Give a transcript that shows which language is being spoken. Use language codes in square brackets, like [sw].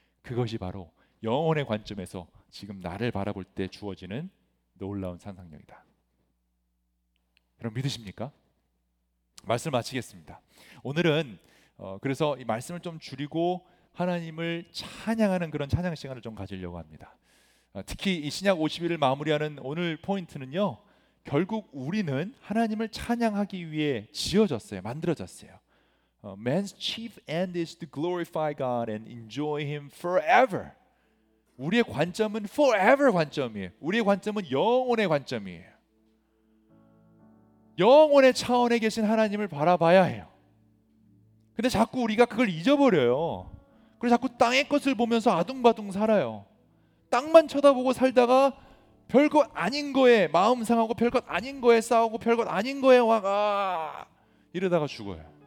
[ko] 그것이 바로 영혼의 관점에서 지금 나를 바라볼 때 주어지는 놀라운 상상력이다. 여러분 믿으십니까? 말씀을 마치겠습니다. 오늘은 그래서 이 말씀을 좀 줄이고 하나님을 찬양하는 그런 찬양 시간을 좀 가지려고 합니다. 특히 이 신약 50일을 마무리하는 오늘 포인트는요, 결국 우리는 하나님을 찬양하기 위해 지어졌어요. 만들어졌어요. [en] Man's chief end is to glorify God and enjoy Him forever. [ko] 우리의 관점은 forever 관점이에요. 우리의 관점은 영혼의 관점이에요. 영혼의 차원에 계신 하나님을 바라봐야 해요. 근데 자꾸 우리가 그걸 잊어버려요. 그리고 자꾸 땅의 것을 보면서 아둥바둥 살아요. 땅만 쳐다보고 살다가 별것 아닌 거에 마음 상하고 별것 아닌 거에 싸우고 별것 아닌 거에 와가 이러다가 죽어요.